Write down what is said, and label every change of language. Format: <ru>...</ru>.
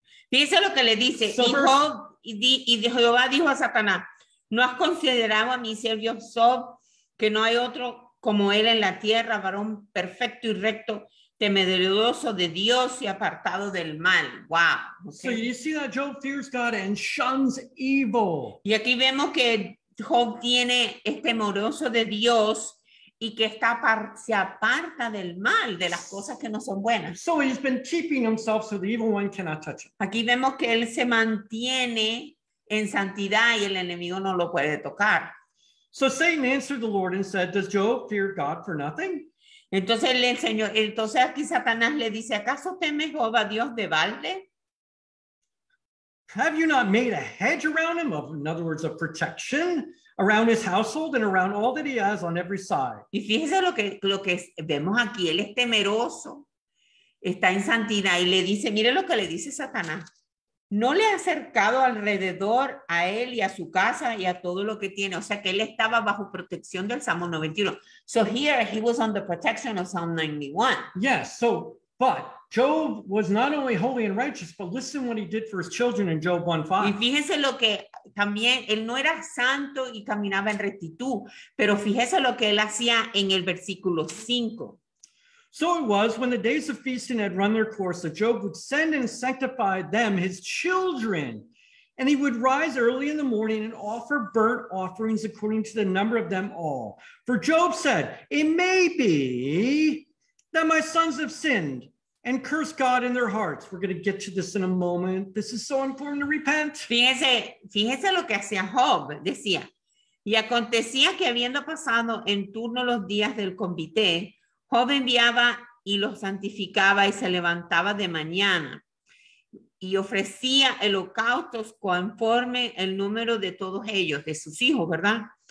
<es>dice lo que le dice, so y Job, y Jehová dijo a Satanás, ¿no has considerado a mi siervo Job, que no hay otro como él en la tierra, varón perfecto y recto, temeroso de Dios y apartado del mal?</es> <en>Wow. Okay. So you see that Job fears God and shuns evil.</en> <es>Y aquí vemos que Job tiene temeroso de Dios y que está se aparta del mal, de las cosas que no son buenas.</es> <en>So he's been keeping himself so the evil one cannot touch him.</en> <es>Aquí vemos que él se mantiene en santidad y el enemigo no lo puede tocar.</es> <en>So Satan answered the Lord and said, "Does Job fear God for nothing?"</en> <es>Entonces el Señor, aquí Satanás le dice, ¿acaso teme Jehová Dios de balde?</es> <en>Have you not made a hedge around him, in other words, a protection around his household and around all that he has on every side?</en> <es>Y fíjese lo que vemos aquí, él es temeroso, está en santidad y le dice, mire lo que le dice Satanás, ¿no le ha cercado alrededor a él y a su casa y a todo lo que tiene? O sea que él estaba bajo protección del Salmo 91.</es> <en>So here he was on the protection of Psalm 91. Yes, so, but Job was not only holy and righteous, but listen what he did for his children in Job 1:5.</en> <es>Y fíjese lo que también, él no era santo y caminaba en rectitud, pero fíjese lo que él hacía en el versículo 5.</es> <en>So it was when the days of feasting had run their course that Job would send and sanctify them, his children, and he would rise early in the morning and offer burnt offerings according to the number of them all. For Job said, it may be that my sons have sinned and cursed God in their hearts. We're going to get to this in a moment. This is so important to repent.</en> <es>Fíjese lo que hacía Job, decía, y acontecía que habiendo pasado en turno los días del convite, Job enviaba y los santificaba y se levantaba de mañana y ofrecía holocaustos conforme el número de todos ellos, de sus hijos, ¿verdad?</es>